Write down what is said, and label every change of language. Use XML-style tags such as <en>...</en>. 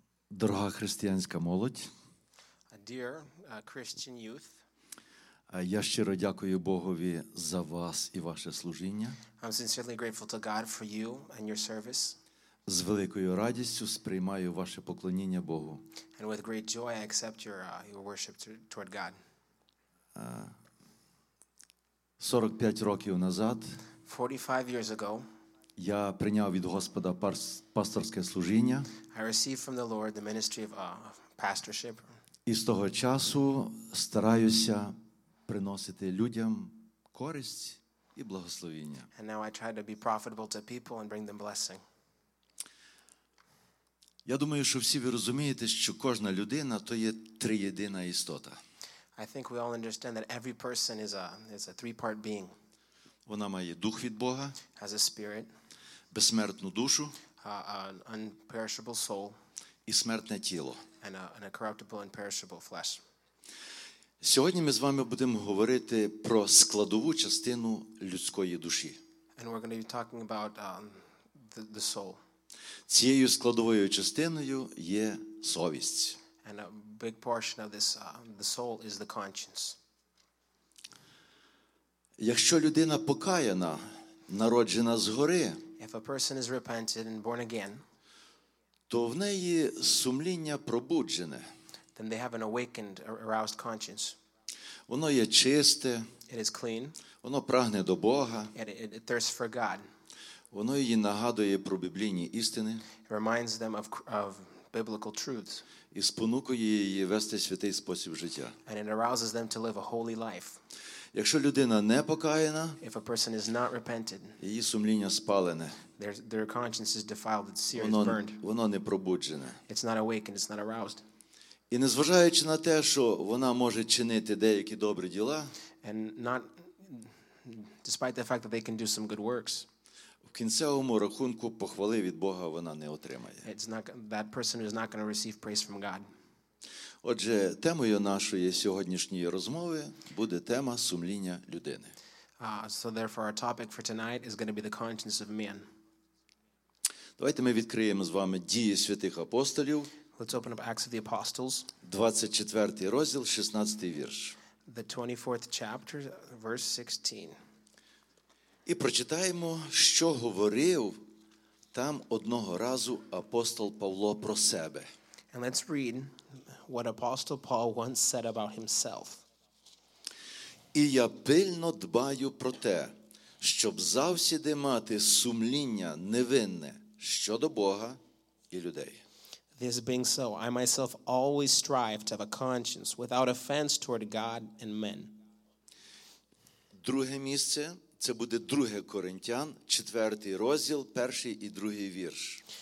<uk>Дорога християнська молодь,</uk> <en>dear Christian youth,</en> <uk>я щиро дякую Богові за вас і ваше служіння.</uk> <en>I'm sincerely grateful to God for you and your service.</en> <uk>З великою радістю сприймаю ваше поклоніння Богу.</uk> <en>And with great joy I accept your worship toward God.</en> <uk>45 років назад,</uk> <en>45 years ago,</en> <uk>я прийняв від Господа пасторське служіння.</uk> <en>I received from the Lord the ministry of pastorship.</en> <uk>І з того часу стараюся приносити людям користь і благословення.</uk> <en>And now I try to be profitable to people and bring them blessing.</en> <uk>Я думаю, що всі ви розумієте, що кожна людина то є триєдина істота.</uk> <en>I think we all understand that every person is a three-part being.</en> <uk>Вона має дух від Бога,</uk> <en>has a spirit,</en> <uk>безсмертну душу,</uk> <en>an imperishable soul,</en> <uk>і смертне тіло,</uk> <en>and a corruptible and imperishable flesh.</en> <uk>Сьогодні ми з вами будемо говорити про складову частину людської душі.</uk> <en>And we're going to be talking about the soul.</en> <uk>Цією складовою частиною є совість.</uk> <en>And a big portion of this the soul is the conscience.</en> <uk>Якщо людина покаяна, народжена згори,</uk> <en>if a person is repented and born again,</en> <uk>то в неї сумління пробуджене.</uk> <en>Then they have an awakened, aroused conscience.</en> <uk>Воно є чисте.</uk> <en>It is clean.</en> <uk>Воно прагне до Бога.</uk> <en>It thirsts for God.</en> <uk>Воно її нагадує про біблійні істини.</uk> <en>It reminds them of biblical truths.</en> <uk>І спонукує її вести святий спосіб життя.</uk> <en>And it arouses them to live a holy life.</en> <uk>Якщо людина не покаяна,</uk> <en>if a person is not repented,</en> <uk>її сумління спалене.</uk> <en>Their conscience is defiled, its seer is burned.</en> <uk>Воно не пробуджене.</uk> <en>It's not awakened, it's not aroused.</en> <uk>І незважаючи на те, що вона може чинити деякі добрі діла,</uk> <en>and not, despite the fact that they can do some good works,</en> <uk>в кінцевому рахунку похвали від Бога вона не отримає.</uk> <en>It's not, that person is not going to receive praise from God.</en> <uk>Отже, темою нашої сьогоднішньої розмови буде тема сумління людини.</uk> <en>So therefore our topic for tonight is going to be the conscience of man.</en> <uk>Давайте ми відкриємо з вами Дії святих апостолів.</uk> <en>Let's open up Acts of the Apostles.</en> <uk>24 розділ, 16 вірш.</uk> <en>The 24th chapter, verse 16.</en> <uk>І прочитаємо, що говорив там одного разу апостол Павло про себе.</uk> <en>And let's read what Apostle Paul once said about himself.</en> <uk>І я пильно дбаю про те, щоб завсіди мати сумління невинне щодо Бога і людей.</uk> <en>This being so, I myself always strive to have a conscience without offense toward God and men.</en> <uk>Друге місце, це буде 2 Коринтян, 4 розділ, 1 і 2 вірш.</uk>